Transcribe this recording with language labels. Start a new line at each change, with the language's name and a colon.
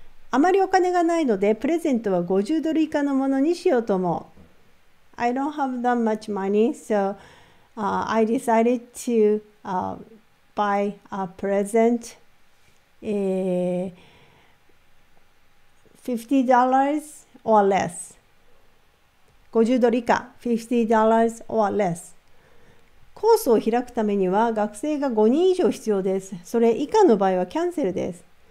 Japanese: あまりお金がないのでプレゼントは50ドル以下のものにしようと思う。
English: I don't have that much money, so I decided to buy a present $50 or less.
Japanese: 50ドル以下
English: $50 or less.
Japanese: コースを開くためには学生が5人以上必要です。それ以下の場合はキャンセルです。